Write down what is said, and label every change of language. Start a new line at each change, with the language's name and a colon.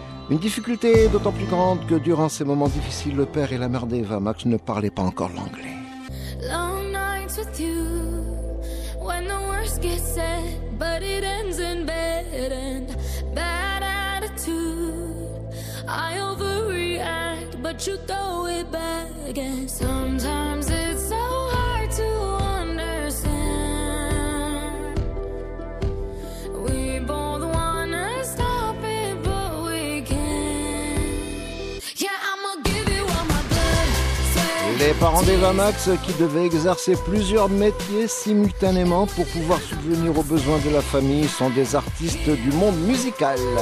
French: Une difficulté d'autant plus grande que durant ces moments difficiles, le père et la mère d'Eva Max ne parlaient pas encore l'anglais.
English: Long nights with you, when the worst gets said, but it ends in bed and bad attitude. I overreact, but you throw it back and sometimes it's so hard to understand. We both wanna stop it, but we can't. Yeah, I'ma give you all my blood.
French: Les parents d'Eva Max qui devaient exercer plusieurs métiers simultanément pour pouvoir subvenir aux besoins de la famille sont des artistes du monde musical.